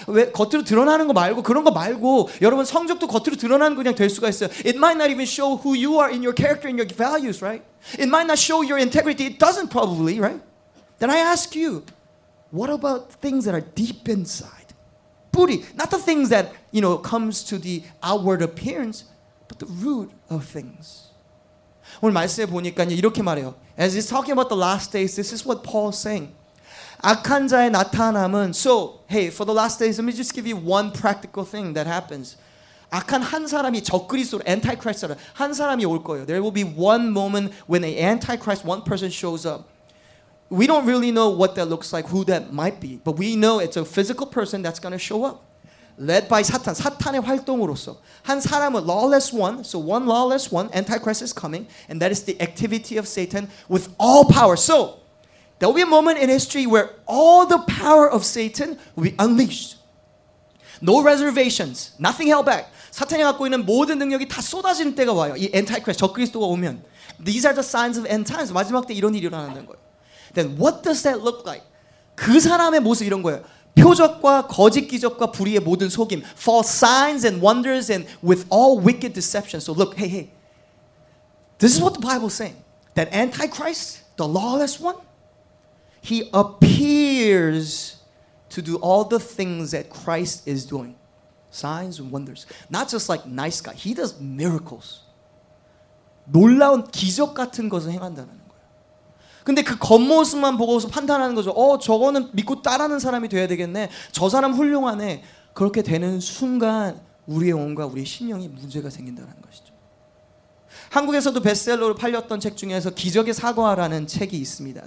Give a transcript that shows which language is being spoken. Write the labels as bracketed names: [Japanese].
[Korean] 왜 겉으로 드러나는 거 말고 그런 거 말고 여러분 성적도 겉으로 드러나는 거 그냥 될 수가 있어요. [English] It might not even show who you are in your character and your values, right? It might not show your integrity. It doesn't probably, right? Then I ask you, what about things that are deep inside? 뿌리, not the things that, you know, comes to the outward appearance, but the root of things. [Korean] 오늘 말씀해 보니까요 이렇게 말해요. [English] As he's talking about the last days, this is what Paul's saying. [Korean] 악한 자의 나타남은, [English] so hey, for the last days, let me just give you one practical thing that happens. [Korean] 악한 한 사람이 적그리스도로, antichrist로 한 사람이 올 거예요. [English] There will be one moment when an antichrist, one person shows up. We don't really know what that looks like, who that might be, but we know it's a physical person that's going to show up. Led by Satan, [Korean] 사탄의 활동으로서 한 사람은 [English] lawless one, so one lawless one, antichrist is coming, and that is the activity of Satan with all power. So, there will be a moment in history where all the power of Satan will be unleashed. No reservations, nothing held back. [Korean] 사탄이 갖고 있는 모든 능력이 다 쏟아지는 때가 와요. [English] 이 antichrist, [Korean] 적그리스도가 오면. [English] These are the signs of end times. [Korean] 마지막 때 이런 일이 일어나는 거예요. [English] Then what does that look like? [Korean] 그 사람의 모습 이런 거예요. 표적과 거짓 기적과 불의의 모든 속임. [English] False signs and wonders and with all wicked deception. So look, hey. This is what the Bible is saying. That Antichrist, the lawless one, he appears to do all the things that Christ is doing. Signs and wonders. Not just like nice guy. He does miracles. [Korean] 놀라운 기적 같은 것을 행한다는. 근데 그 겉모습만 보고서 판단하는 거죠. 저거는 믿고 따라하는 사람이 돼야 되겠네. 저 사람 훌륭하네. 그렇게 되는 순간 우리의 몸과 우리의 심령이 문제가 생긴다는 것이죠. 한국에서도 베스트셀러로 팔렸던 책 중에서 기적의 사과라는 책이 있습니다.